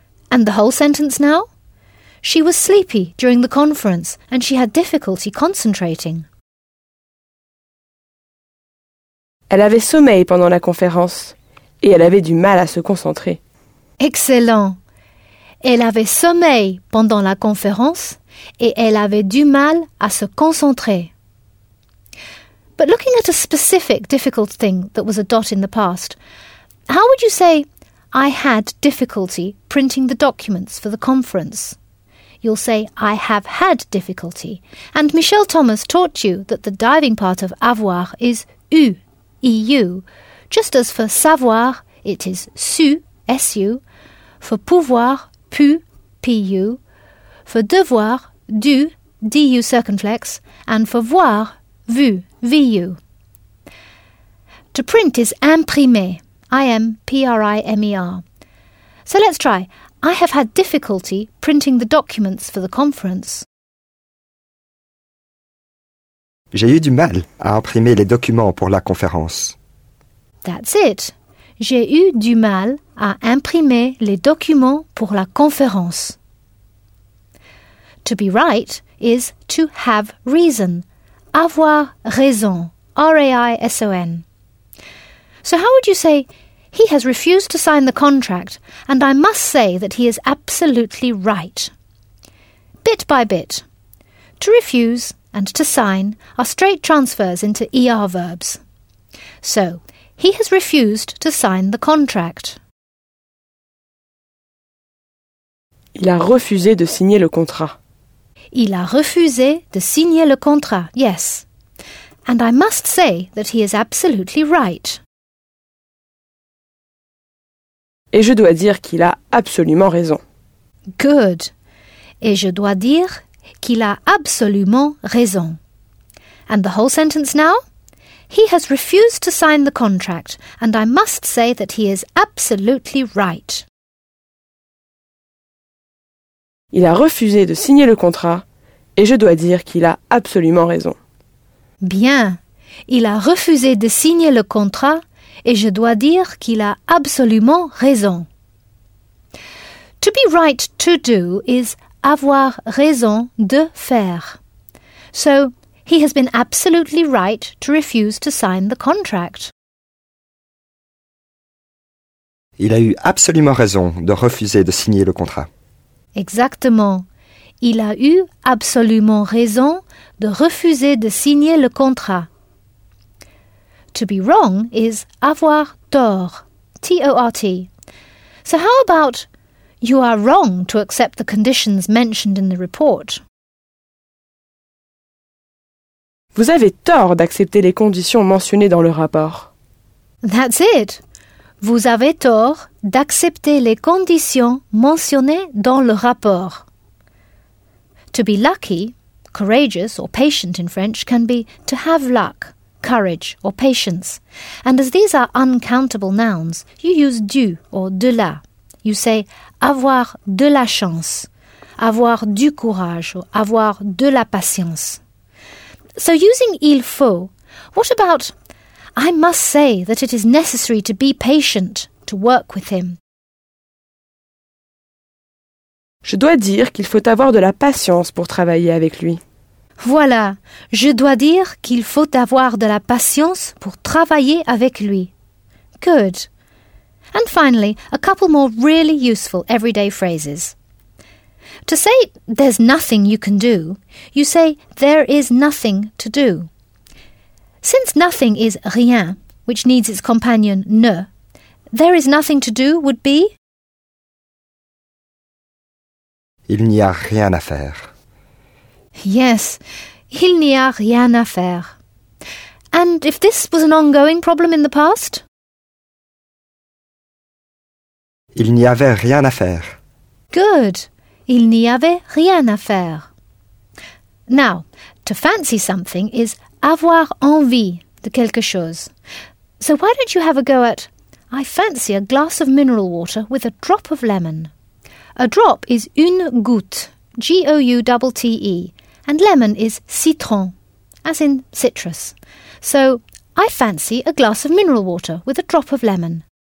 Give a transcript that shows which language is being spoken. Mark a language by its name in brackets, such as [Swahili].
[English] And the whole sentence now? She was sleepy during the conference and she had difficulty concentrating. [French] Elle avait sommeil pendant la conférence et elle avait du mal à se concentrer. [English] Excellent! [French] Elle avait sommeil pendant la conférence et elle avait du mal à se concentrer. [English] But looking at a specific difficult thing that was a dot in the past, how would you say, I had difficulty printing the documents for the conference? You'll say, I have had difficulty. And Michel Thomas taught you that the diving part of avoir is eu, E-U, just as for savoir, it is su, S-U, for pouvoir, pu, P-U, for devoir, dû, D-U circumflex, and for voir, vu, V-U. To print is imprimer, I-M-P-R-I-M-E-R. So let's try. I have had difficulty printing the documents for the conference. [French] J'ai eu du mal à imprimer les documents pour la conférence. [English] That's it. [French] J'ai eu du mal à imprimer les documents pour la conférence. [English] To be right is to have reason. [French] Avoir raison. [English] R-A-I-S-O-N. So how would you say, he has refused to sign the contract and I must say that he is absolutely right. Bit by bit. To refuse and to sign are straight transfers into ER verbs. So, he has refused to sign the contract. [French] Il a refusé de signer le contrat. Il a refusé de signer le contrat, yes. [English] And I must say that he is absolutely right. [French] Et je dois dire qu'il a absolument raison. [English] Good. [French] Et je dois dire qu'il a absolument raison. [English] And the whole sentence now? He has refused to sign the contract, and I must say that he is absolutely right. [French] Il a refusé de signer le contrat, et je dois dire qu'il a absolument raison. Bien. Il a refusé de signer le contrat, et je dois dire qu'il a absolument raison. [English] To be right to do is [French] avoir raison de faire. [English] So, he has been absolutely right to refuse to sign the contract. [French] Il a eu absolument raison de refuser de signer le contrat. Exactement. Il a eu absolument raison de refuser de signer le contrat. [English] To be wrong is [French] avoir tort, [English] T-O-R-T. So how about you are wrong to accept the conditions mentioned in the report? [French] Vous avez tort d'accepter les conditions mentionnées dans le rapport. [English] That's it. [French] Vous avez tort d'accepter les conditions mentionnées dans le rapport. [English] To be lucky, courageous or patient in French, can be to have luck, courage or patience. And as these are uncountable nouns, you use du or de la. You say [French] avoir de la chance, avoir du courage or avoir de la patience. [English] So using il faut, what about I must say that it is necessary to be patient to work with him? [French] Je dois dire qu'il faut avoir de la patience pour travailler avec lui. Voilà, je dois dire qu'il faut avoir de la patience pour travailler avec lui. [English] Good. And finally, a couple more really useful everyday phrases. To say there's nothing you can do, you say there is nothing to do. Since nothing is rien, which needs its companion ne, there is nothing to do would be? [French] Il n'y a rien à faire. Yes, il n'y a rien à faire. [English] And if this was an ongoing problem in the past? [French] Il n'y avait rien à faire. Good. Il n'y avait rien à faire. [English] Now, to fancy something is [French] avoir envie de quelque chose. [English] So why don't you have a go at I fancy a glass of mineral water with a drop of lemon. A drop is [French] une goutte, [English] G-O-U-T-T-E, and lemon is citron, as in citrus. So I fancy a glass of mineral water with a drop of lemon.